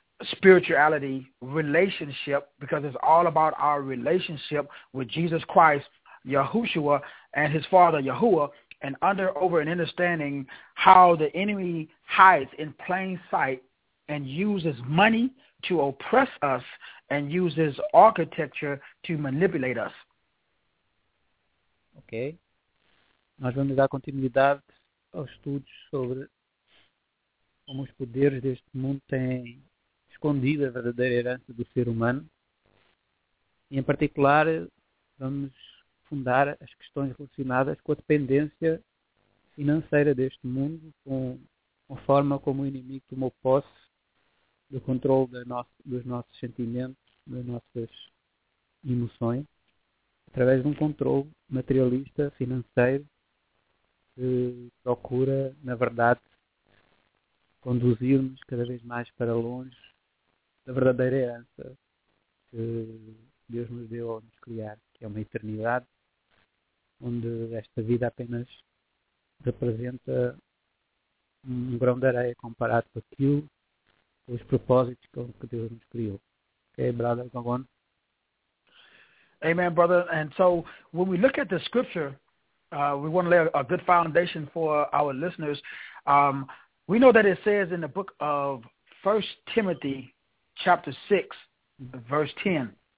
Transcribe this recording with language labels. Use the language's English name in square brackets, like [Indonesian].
[English] spirituality, relationship, because it's all about our relationship with Jesus Christ, Yahushua, and his father Yahuwah, and under over an understanding how the enemy hides in plain sight and uses money to oppress us and uses architecture to manipulate us. Ok. [Portuguese] Nós vamos dar continuidade aos estudos sobre como os poderes deste mundo têm escondido a verdadeira herança do ser humano. E, em particular, vamos fundar as questões relacionadas com a dependência financeira deste mundo, com a forma como o inimigo tomou posse do controle dos nossos sentimentos, das nossas emoções, através de um controle materialista, financeiro, que procura, na verdade, conduzir-nos cada vez mais para longe da verdadeira herança que Deus nos deu ao nos criar, que é uma eternidade, onde esta vida apenas representa um grão de areia comparado com aquilo, com os propósitos com que Deus nos criou. [English] Okay, brother, go on. Amen, brother. And so when we look at the scripture, we want to lay a good foundation for our listeners. We know that it says in the book of 1 Timothy chapter 6, verse 10.